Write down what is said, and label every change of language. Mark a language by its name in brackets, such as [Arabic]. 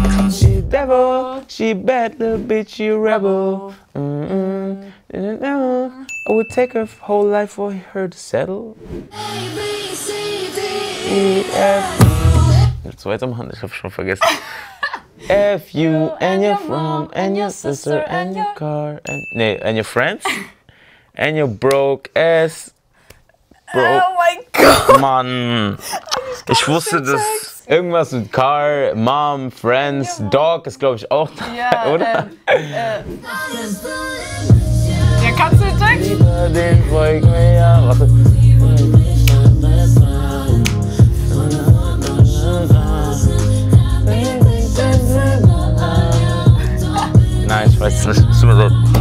[English] She devil, she bad little bitch, she rebel. Mm-mm. I would take her whole life for her to settle. [German] Jetzt weitermachen, ich hab schon vergessen. [English] F you and your mom and your sister and your car and nee, and your friends and your broke ass. Bro. Oh my God! [German] Mann, ich wusste das. Irgendwas mit Car, Mom, Friends, ja, Dog ist, glaube ich, auch da, ja, oder? Ja, kannst du den Text? Den folg mir, ja, warte. Nein, ich weiß es nicht. Tut mir leid.